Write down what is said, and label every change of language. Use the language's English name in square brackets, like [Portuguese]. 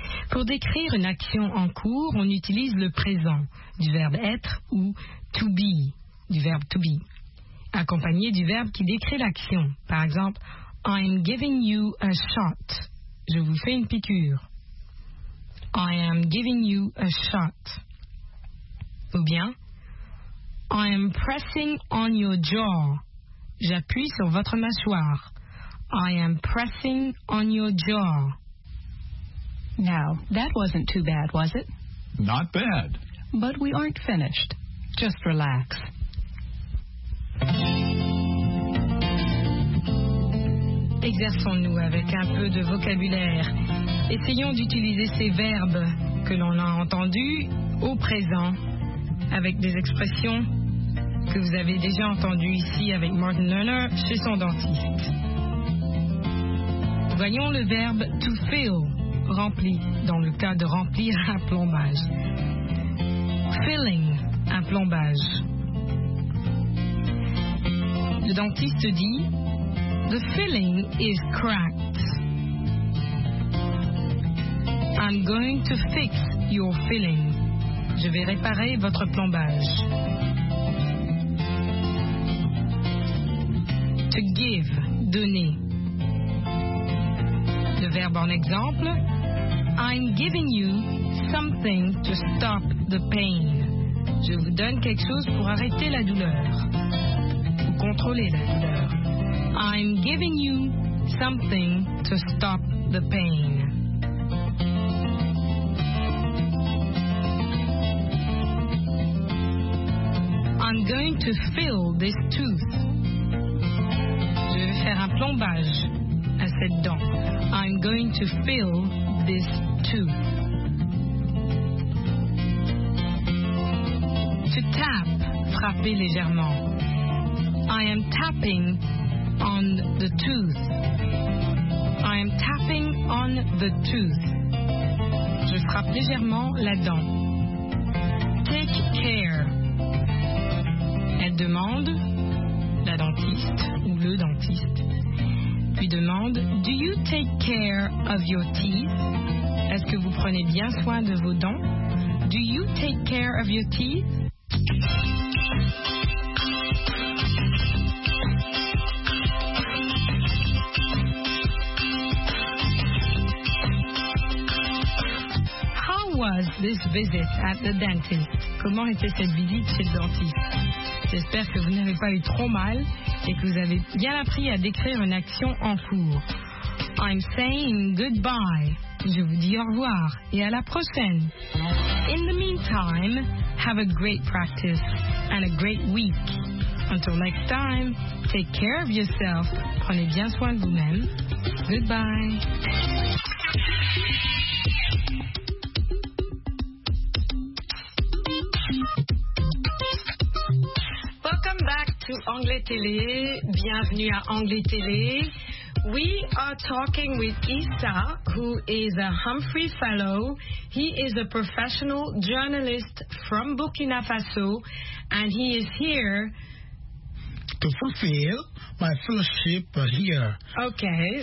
[French] Pour décrire une action en cours, on utilise le présent du verbe être ou to be, du verbe to be, accompagné du verbe qui décrit l'action. Par exemple, [English] I'm giving you a shot. [French] Je vous fais une piqûre. [English] I am giving you a shot. [French] Ou bien, [English] I am pressing on your jaw. [French] J'appuie sur votre mâchoire. [English] I am pressing on your jaw. Now, that wasn't too bad, was it? Not bad. But we aren't finished. Just relax. [French] Exerçons-nous avec un peu de vocabulaire. Essayons d'utiliser ces verbes que l'on a entendus au présent avec des expressions que vous avez déjà entendues ici avec Martin Lerner chez son dentiste. Voyons le verbe to fill, rempli, dans le cas de remplir un plombage. Filling, un plombage. Le dentiste dit, [English] the filling is cracked. I'm going to fix your filling. [French] Je vais réparer votre plombage. [English] To give, [French] donner. Le verbe en exemple, [English] I'm giving you something to stop the pain. [French] Je vous donne quelque chose pour arrêter la douleur. Pour contrôler la douleur. [English] I'm giving you something to stop the pain. I'm going to fill this tooth. [French] Je vais faire un plombage à cette dent. [English] I'm going to fill this tooth. To tap, [French] frapper légèrement. [English] I am tapping on the tooth. I am tapping on the tooth. [French] Je frappe légèrement la dent. [English] Take care. [French] Elle demande, la dentiste ou le dentiste, puis demande, [English] do you take care of your teeth? [French] Est-ce que vous prenez bien soin de vos dents? [English] Do you take care of your teeth? How was this visit at the dentist? [French] Comment était cette visite chez le dentiste? J'espère que vous n'avez pas eu trop mal et que vous avez bien appris à décrire une action en cours. [English] I'm saying goodbye. [French] Je vous dis au revoir et à la prochaine. [English] In the meantime, have a great practice and a great week. Until next time, take care of yourself. [French] Prenez bien soin de vous-même. [English] Goodbye. [French] To Anglais Télé, bienvenue à Anglais Télé. [English] We are talking with Issa, who is a Humphrey Fellow. He is a professional journalist from Burkina Faso, and he is here to fulfill my fellowship here. Okay.